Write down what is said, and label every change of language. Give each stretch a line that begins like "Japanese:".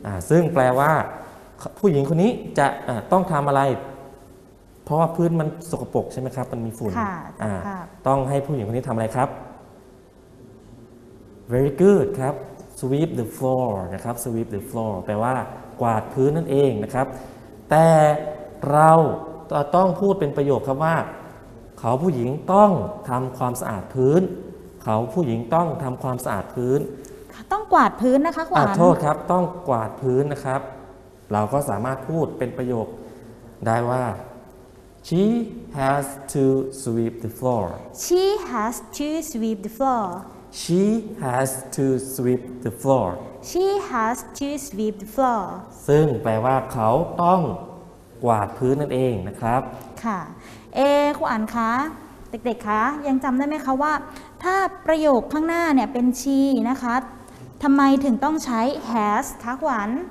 Thai: ซึ่งแปลว่าผู้หญิงคนนี้จะต้องทำอะไรเพราะว่าพื้นมันสกปรกใช่ไหมครับมันมีฝุ่นต้องให้ผู้หญิงคนนี้ทำอะไรครับ
English: very good
Thai: ครับ
English: sweep the floor
Thai: นะครับ sweep the floor แปลว่ากวาดพื้นนั่นเองนะครับแต่เราต้องพูดเป็นประโยคครับว่าเขาผู้หญิงต้องทำความสะอาดพื้นเขาผู้หญิงต้องทำความสะอาดพื้น ต้องกวาดพื้นนะคะกวาด โทษครับต้องกวาดพื้นนะครับเราก็สามารถพูดเป็นประโยคได้ว่า
English: She has to sweep the floor. She has to sweep the floor. She has to sweep the floor. She has to sweep the floor.
Thai: ซึ่งแปลว่าเขาต้องกวาดพื้นนั่นเองนะครับ ค่ะเอครูอ่านคะเด็กๆคะยังจำได้ไหมคะว่าถ้าประโยคข้างหน้าเนี่ยเป็น she นะคะทำไมถึงต้องใช้ has คะขวัญ